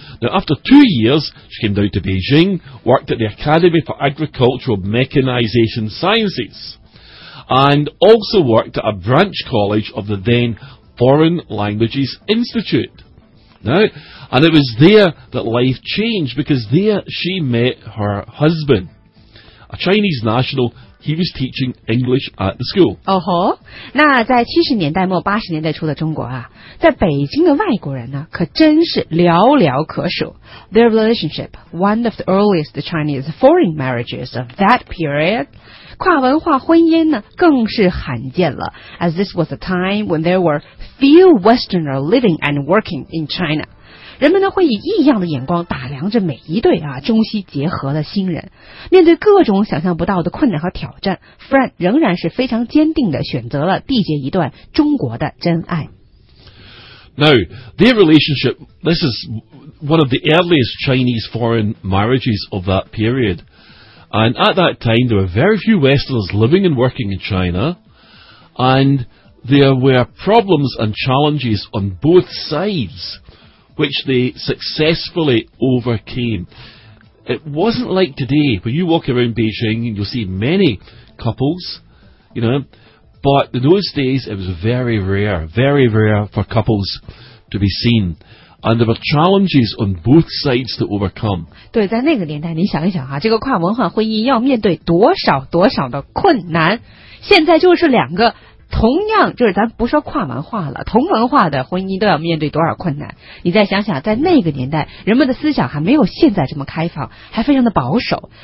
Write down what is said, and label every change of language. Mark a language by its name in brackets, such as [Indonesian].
[English] Now after 2 years she came down to Beijing, worked at the Academy for Agricultural Mechanization Sciences, and also worked at a branch college of the then Foreign Languages Institute. No? And it was there that life changed, because there she met her husband, a Chinese national. He was teaching English at the school. [Chinese] 哦吼，那在70年代末80年代初的中国啊，在北京的外国人呢，可真是寥寥可数。 [English] Their relationship, one of the earliest Chinese foreign marriages of that period, [Chinese] 跨文化婚姻呢更是罕见了。 [English] As this was a time when there were few Westerners living and working in China. [Chinese] 人们呢会以异样的眼光打量着每一对啊中西结合的新人，面对各种想象不到的困难和挑战 ，Fran 仍然是非常坚定的选择了缔结一段中国的真爱。 [English] Now their relationship, this is one of the earliest Chinese foreign marriages of that period, and at that time there were very few Westerners living and working in China, and there were problems and challenges on both sides. Which they successfully overcame. It wasn't like today, when you walk around Beijing and you'll see many couples, you know, but in those days it was very rare for couples to be seen. And there were challenges on both sides to overcome. [Chinese] 对，在那个年代，你想一想哈，这个跨文化婚姻要面对多少多少的困难。现在就是两个同样就是咱不说跨文化了，同文化的婚姻都要面对多少困难。你再想想在那个年代人们的思想还没有现在这么开放，还非常的保守。